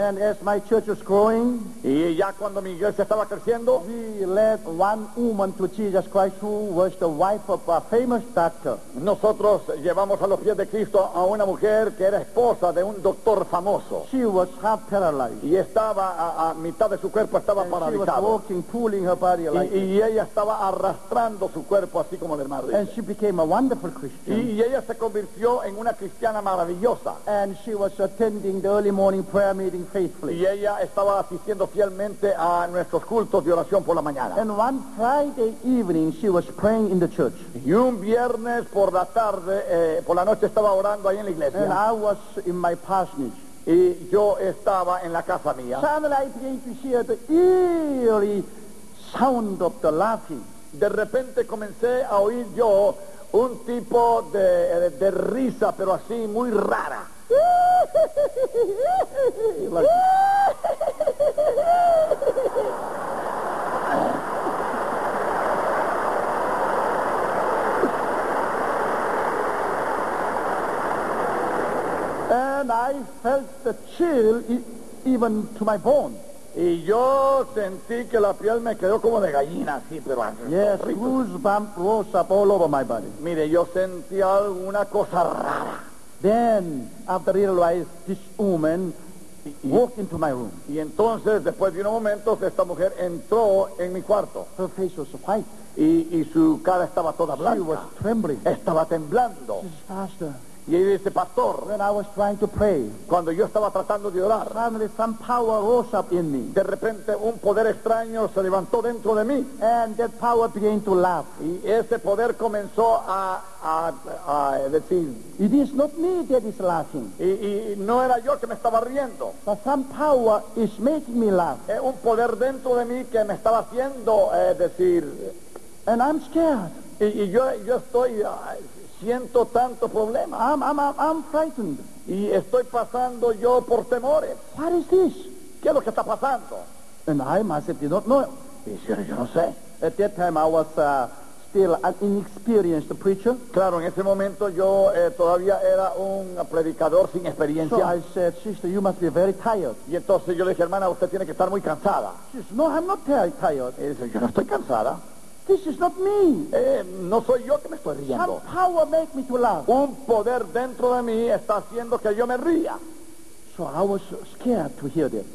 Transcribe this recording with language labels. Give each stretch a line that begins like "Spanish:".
English: And as my church was growing,
Spanish: y ya cuando mi iglesia estaba creciendo,
English: we led one woman to Jesus Christ, who was the wife of a famous doctor.
Spanish: Nosotros llevamos a los pies de Cristo a una mujer que era esposa de un doctor famoso.
English: She was half paralyzed.
Spanish: Y estaba a mitad de su cuerpo estaba paralizado.
English: She was walking, pulling her body like this.
Spanish: Y ella estaba arrastrando su cuerpo así como el hermano.
English: And she became a wonderful Christian.
Spanish: Y ella se convirtió en una cristiana maravillosa.
English: And she was attending the early morning prayer meeting faithfully.
Spanish: Y ella estaba asistiendo fielmente a nuestros cultos de oración por la mañana.
English: And one Friday evening she was praying in the church.
Spanish: Y un viernes por la tarde, por la noche estaba orando ahí en la iglesia.
English: And I was in my parsonage.
Spanish: Y yo estaba en la casa mía.
English: Suddenly I began to hear the eerie sound of the laughing.
Spanish: De repente comencé a oír yo un tipo de risa, pero así, muy rara.
English: And I felt the chill even to my bones.
Spanish: Y yo sentí que la piel me quedó como de gallina, así, pero así.
English: Yes, goosebumps rose up all over my body.
Spanish: Mire, yo sentí alguna cosa rara.
English: Then, after a little while, this woman walked into my room.
Spanish: Y entonces, después de unos momentos, esta mujer entró en mi cuarto.
English: Her face was white.
Spanish: Y su cara estaba toda blanca.
English: She was trembling.
Spanish: Estaba temblando.
English: She's faster.
Spanish: Y ella dice, pastor,
English: when I was trying to pray,
Spanish: cuando yo estaba tratando de orar,
English: suddenly some power rose up in me.
Spanish: De repente un poder extraño se levantó dentro de mí.
English: And that power began to laugh.
Spanish: Y ese poder comenzó a decir,
English: it is not me that is laughing.
Spanish: Y no era yo que me estaba riendo.
English: But some power is making me laugh.
Spanish: Un poder dentro de mí que me estaba haciendo decir,
English: and I'm scared.
Spanish: Y yo estoy siento tanto problema.
English: I'm frightened.
Spanish: Y estoy pasando yo por temores.
English: What is this?
Spanish: ¿Qué es lo que está pasando?
English: And I myself did not know.
Spanish: Y si yo no sé.
English: At that time I was still an inexperienced preacher.
Spanish: Claro, en ese momento yo todavía era un predicador sin experiencia.
English: So I said, sister, you must be very tired.
Spanish: Y entonces yo le dije, hermana, usted tiene que estar muy cansada.
English: She said, no, I'm not very tired.
Spanish: Y dice, yo no estoy cansada.
English: This is not me.
Spanish: No soy yo que me estoy riendo.
English: Some power make me to laugh.
Spanish: Un poder dentro de mí está haciendo que yo me ría.
English: So I was scared to hear this.